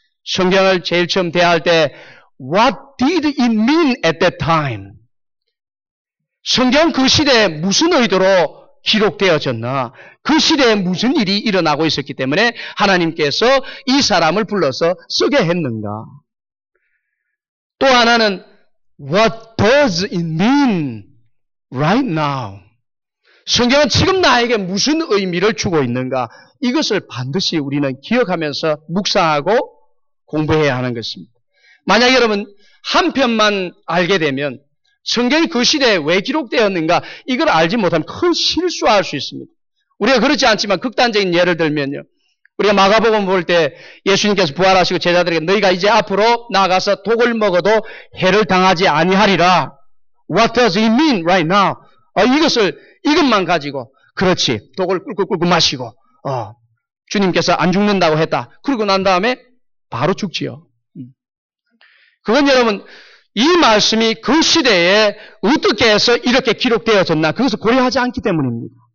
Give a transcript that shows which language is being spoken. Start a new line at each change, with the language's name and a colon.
Korean: 성경을 제일 처음 대할 때
English: What did it mean at that time?
Korean: 성경 그 시대에 무슨 의도로 기록되어졌나? 그 시대에 무슨 일이 일어나고 있었기 때문에 하나님께서 이 사람을 불러서 쓰게 했는가? 또 하나는
English: What does it mean right now?
Korean: 성경은 지금 나에게 무슨 의미를 주고 있는가? 이것을 반드시 우리는 기억하면서 묵상하고 공부해야 하는 것입니다. 만약 여러분 한 편만 알게 되면 성경이 그 시대에 왜 기록되었는가 이걸 알지 못하면 큰 실수할 수 있습니다. 우리가 그렇지 않지만 극단적인 예를 들면요. 우리가 마가복음 볼 때 예수님께서 부활하시고 제자들에게 너희가 이제 앞으로 나가서 독을 먹어도 해를 당하지 아니하리라.
English: What does it mean right now?
Korean: 이것을 이것만 가지고 그렇지 독을 꿀꿀꿀꿀 마시고 주님께서 안 죽는다고 했다. 그러고 난 다음에 바로 죽지요. 그건 여러분 이 말씀이 그 시대에 어떻게 해서 이렇게 기록되어졌나 그것을 고려하지 않기 때문입니다.